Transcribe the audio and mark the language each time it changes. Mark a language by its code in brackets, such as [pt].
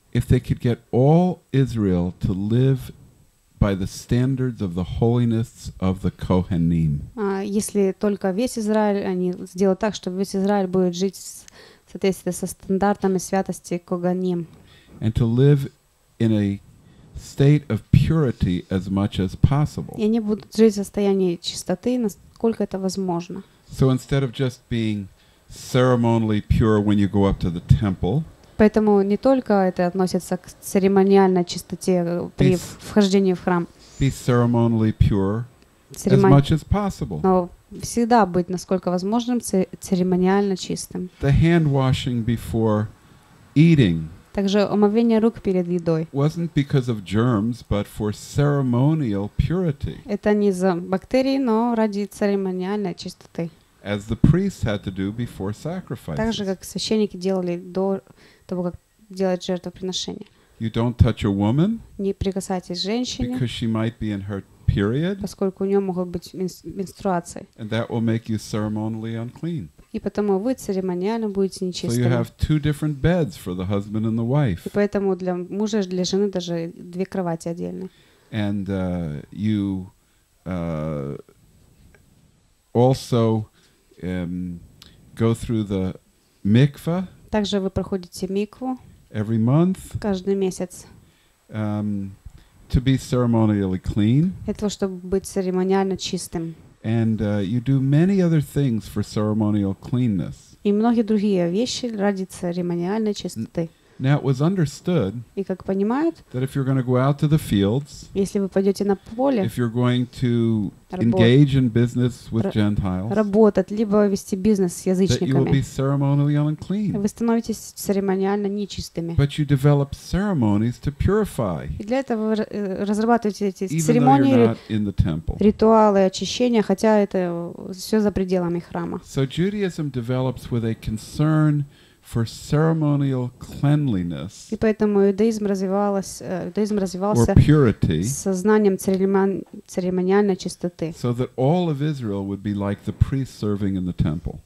[en] If they could get all Israel to live by the standards of the holiness of the Kohanim. [ru] Если только весь Израиль, они сделают так, чтобы весь Израиль будет жить в соответствии со стандартами святости Коганим. [en] And to live in a state of purity as much as possible. [ru] И они будут жить в состоянии чистоты, насколько это возможно. [en] So instead of just being ceremonially pure when you go up to the temple. [ru] Поэтому не только это относится к церемониальной чистоте при вхождении в храм. [en] Be ceremonially pure as much as possible. [ru] Но всегда быть насколько возможным церемониально чистым. [en] The hand washing before eating. [ru] Также омовение рук перед едой. [en] Wasn't because of germs, but for ceremonial purity. [ru] Это не из-за бактерий, но ради церемониальной чистоты. [en] As the priest had to do before sacrifices. [ru] Так же, как священники делали до того, как делать жертвоприношение. [en] You don't touch a woman. [ru] Не прикасайтесь к женщине. [en] Because she might be in her period. [ru] Поскольку у нее могут быть менструации. [en] And that will make you ceremonially unclean. [ru] И потому вы церемониально будете нечистыми. [en] So you have two different beds for the husband and the wife. [ru] И поэтому для мужа и для жены даже две кровати отдельно. [en] And you also go through the mikva. [ru] Также вы проходите микву. [en] Every month. [ru] Каждый месяц. [en] To be ceremonially clean. [ru] Для того, чтобы быть церемониально чистым. [en] And you do many other things for ceremonial cleanness. [ru] И многие другие вещи ради церемониальной чистоты. [en] Now it was understood. [ru] И как понимают? [en] That if you're going to go out to the fields. [ru] Если вы пойдете на поле. [en] If you're going to engage in business with Gentiles. [ru] Работать либо вести бизнес с язычниками. [en] That you will be ceremonially unclean. [ru] Вы становитесь церемониально нечистыми. [en] But you develop ceremonies to purify. [ru] И для этого разрабатываете эти церемонии, [en] even though you're not in the temple. [ru] Ритуалы очищения, хотя это все за пределами храма. [en] So Judaism develops with a concern for ceremonial cleanliness. [ru] И поэтому иудаизм развивался с сознанием церемониальной чистоты. [en] So that all of Israel would be like the priests serving in the temple.